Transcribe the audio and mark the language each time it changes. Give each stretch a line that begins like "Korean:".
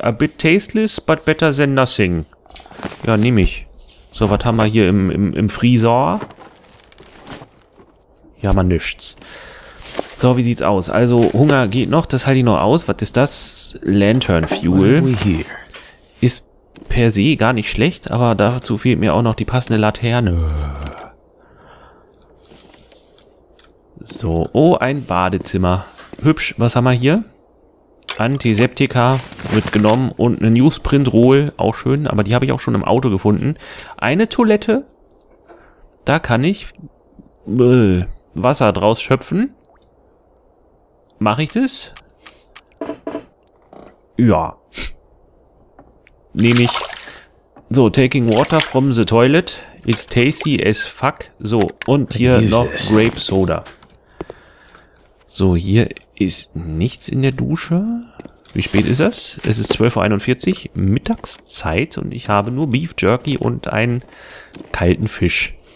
English: A bit tasteless, but better than nothing.
German: Ja, nehme ich. So, was haben wir hier im Freezer? Ja, man nischts. So, wie sieht's aus? Also, Hunger geht noch, das halte ich noch aus. Was ist das? Lantern Fuel. Ist per se gar nicht schlecht, aber dazu fehlt mir auch noch die passende Laterne. So, oh, ein Badezimmer. Hübsch, was haben wir hier? Antiseptika wird genommen und eine Newsprint-Roll, auch schön, aber die habe ich auch schon im Auto gefunden. Eine Toilette. Da kann ich Wasser draus schöpfen. Mache ich das? Ja. Nehme ich.
English: So, taking water from the toilet. It's tasty as fuck.
German: So, und hier noch Grape Soda. So, hier ist nichts in der Dusche. Wie spät ist das? Es ist 12.41 Uhr. Mittagszeit. Und ich habe nur Beef Jerky und einen kalten Fisch.